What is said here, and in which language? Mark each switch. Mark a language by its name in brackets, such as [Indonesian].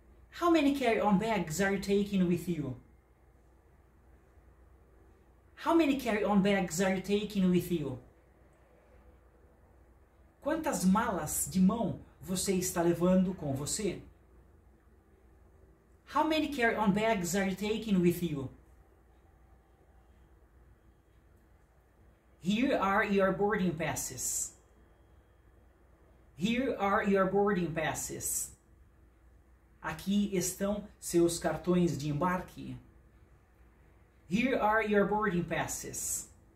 [English] How many carry-on bags are you taking with you? How many carry-on bags are you taking with you? [Portuguese] Quantas malas de mão você está levando com você? [English] How many carry-on bags are you taking with you? Here are your boarding passes. Here are your boarding passes. [Portuguese] Aqui estão seus cartões de embarque. [English] Here are your boarding passes.